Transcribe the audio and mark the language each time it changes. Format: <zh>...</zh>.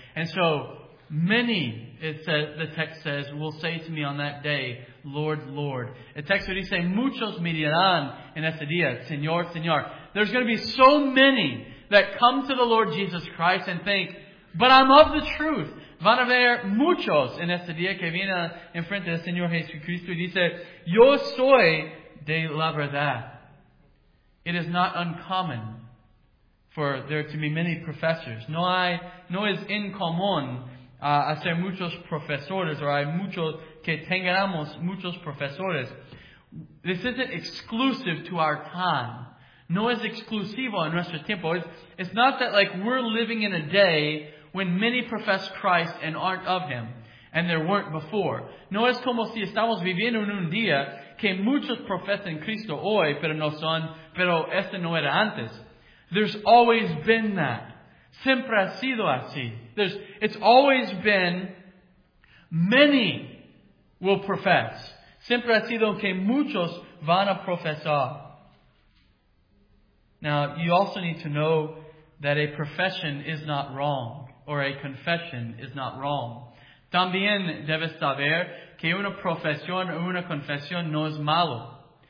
<en>And so, many, it says, the text says, will say to me on that day, Lord, Lord.</en> <es>El texto dice, muchos me dirán en ese día, Señor, Señor.</es> <en>There's going to be so many that come to the Lord Jesus Christ and think, but I'm of the truth.</en> <es>Van a ver muchos en este día que viene en frente del Señor Jesucristo y dice, yo soy de la verdad.</es> <en>It is not uncommon for there to be many professors.</en> <es>No es incomún hacer muchos profesores, or hay muchos que tengamos muchos profesores.</es> <en>This isn't exclusive to our time.</en> <es>No es exclusivo a nuestro tiempo.</es> <en>It's not that like we're living in a day when many profess Christ and aren't of Him, and there weren't before.</en> <es>No es como si estamos viviendo en un día que muchos profesan Cristo hoy, pero no son, pero este no era antes.</es> <en>There's always been that.</en> <es>Siempre ha sido así.</es> <en>It's always been many will profess.</en> <es>Siempre ha sido que muchos van a profesar.</es> <en>Now, you also need to know that a profession is not wrong. Or a confession is not wrong.</en> <es>También debes saber que una profesión o una confesión no es malo.</es>